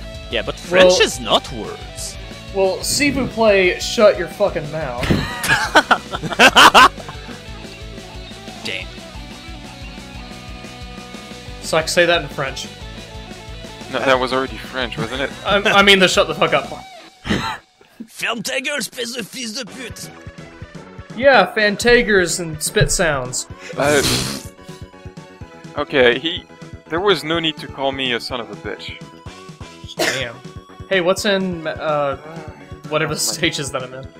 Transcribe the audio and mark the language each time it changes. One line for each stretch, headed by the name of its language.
English: Yeah, but French is not words. Well, Sibu play, shut your fucking mouth. Damn. So I can say that in French. No, that was already French, wasn't it? I mean the shut the fuck up part.
French: Ferme ta gueule, espèce de fils de pute!
English: Yeah, Fantagers and spit sounds. Okay, there was no need to call me a son of a bitch. Damn. Hey, what's in, whatever the stage is that I'm in?